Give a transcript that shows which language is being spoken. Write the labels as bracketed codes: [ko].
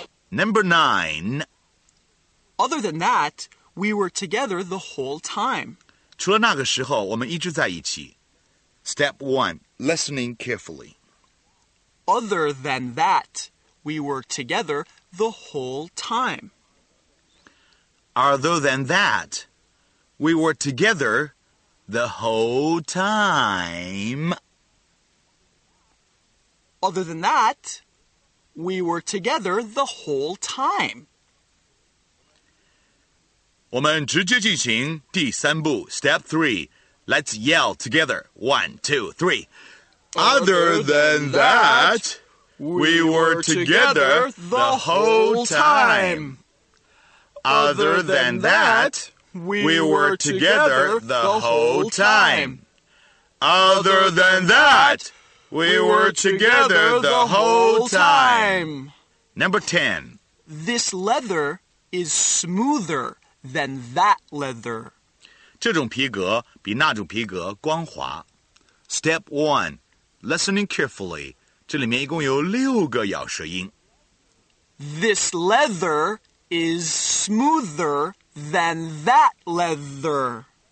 [en] Other than that, we were together the whole time. [zh] 除了那个时候，我们一直在一起。 [en] Step one, listening carefully. Other than that, we were together the whole time. Other than that, we were together the whole time. Other than that, we were together the whole time. [zh] 我们直接进行第三步 [en] Step 3 Let's yell together 1, 2, 3 Other than that We were together the whole time Other than that We were together the whole time Other than that We were together the whole time Number 10 This leather is smoother than that leather. [zh] 这种皮革比那种皮革光滑。 [en] Step 1, listening carefully. [zh] 这里面一共有六个咬舌音。 [en] This leather is smoother than that leather.